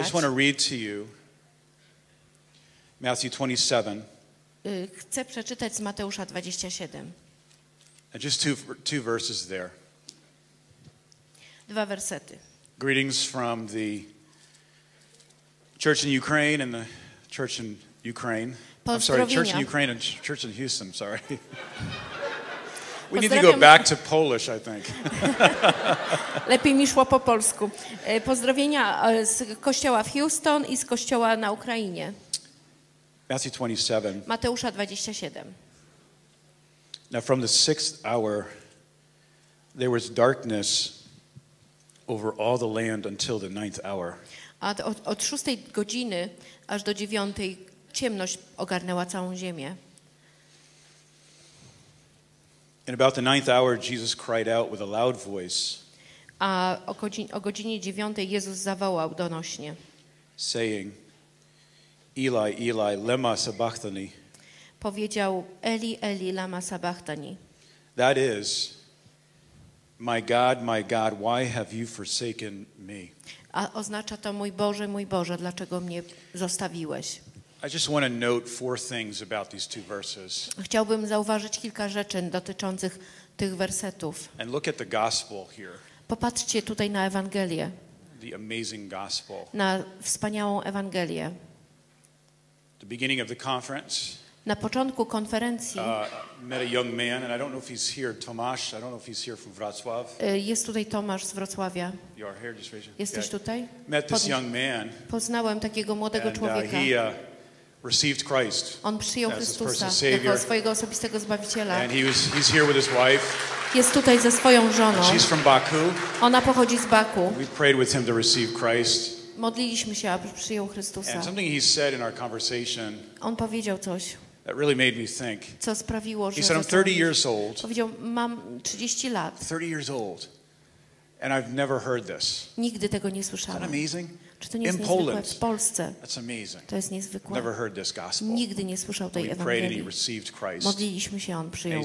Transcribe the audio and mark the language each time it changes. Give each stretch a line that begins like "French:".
English: I just want to read to you Matthew 27.
Polish: Chcę przeczytać z Mateusza 27.
English: And just two verses there.
Polish: Dwa wersety.
English: Greetings from the church in Ukraine and the church in Ukraine. I'm sorry, church in Ukraine and church in Houston, sorry. We need to go back to Polish, I think.
Polish: Lepiej mi szło po polsku. Pozdrowienia z kościoła w Houston i z kościoła na Ukrainie.
English: Matthew 27.
Polish: Mateusza 27.
English: Now from the sixth hour there was darkness over all the land until the ninth hour.
Polish: A od szóstej godziny aż do dziewiątej ciemność ogarnęła całą ziemię.
English: In about the ninth hour, Jesus cried out with a loud voice.
Polish: A o godzinie dziewiątej Jezus zawołał donośnie.
English: Saying, Eli, Eli, lema sabachthani.
Polish: Powiedział, Eli, Eli, lama sabachthani.
English: That is, my God, why have you forsaken me?
Polish: A oznacza to, mój Boże, dlaczego mnie zostawiłeś?
English: I just want to note four things about these two verses.
Polish: Chciałbym zauważyć kilka rzeczy dotyczących tych wersetów.
English: And look at the gospel here.
Polish: Popatrzcie tutaj na Ewangelię.
English: The amazing gospel.
Polish: Na wspaniałą Ewangelię.
English: The beginning of the conference.
Polish: Na początku konferencji.
English: Met a young man, and I don't know if he's here. Tomasz, I don't know if he's here from Wrocław.
Polish: Jest tutaj Tomasz z Wrocławia.
English: You are here, just raise your hand.
Polish: Jesteś tutaj?
English: Met this young man.
Polish: Poznałem takiego młodego człowieka.
English: Received Christ.
Polish: On przyjął Chrystusa jako swojego osobistego zbawiciela.
English: And he's here with his wife.
Polish: Jest tutaj ze swoją żoną.
English: And she's from Baku.
Polish: Ona pochodzi z Baku.
English: We prayed with him to receive Christ.
Polish: Modliliśmy się, aby przyjął Chrystusa.
English: And something he said in our conversation.
Polish: On powiedział coś.
English: That really made me think.
Polish: Co sprawiło, że
English: he said, I'm 30 years old.
Polish: Powiedział, mam 30 lat.
English: 30 years old. And I've never heard this.
Polish: Nigdy tego nie słyszałem.
English: Isn't that amazing?
Polish: Czy to nie jest niezwykłe? W Polsce.
English: That's amazing.
Polish: To jest niezwykłe.
English: Never heard this gospel.
Polish: Nigdy nie słyszał tej Ewangelii. Modliliśmy się, on przyjął